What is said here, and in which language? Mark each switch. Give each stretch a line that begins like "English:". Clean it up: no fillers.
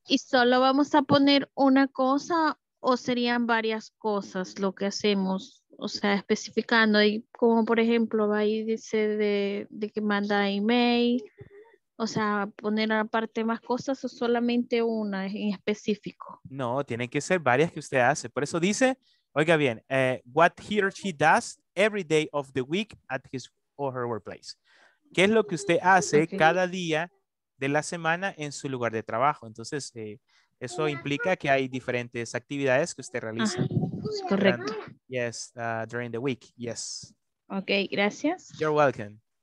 Spanish: ¿Y solo vamos a poner una cosa o serían varias cosas lo que hacemos? O sea, especificando, y como por ejemplo, ahí dice de que manda email, o sea, poner aparte más cosas o solamente una en específico. No, tienen que ser varias que usted hace. Por eso dice, oiga bien,
English: what he or she does every day of the week at his or her workplace.
Spanish: ¿Qué es lo que usted hace cada día de la semana en su lugar de trabajo? Entonces, eso implica que hay diferentes actividades que usted realiza. Es correcto.
English: Yes, during the week, yes.
Spanish: Ok, gracias.
English: You're welcome.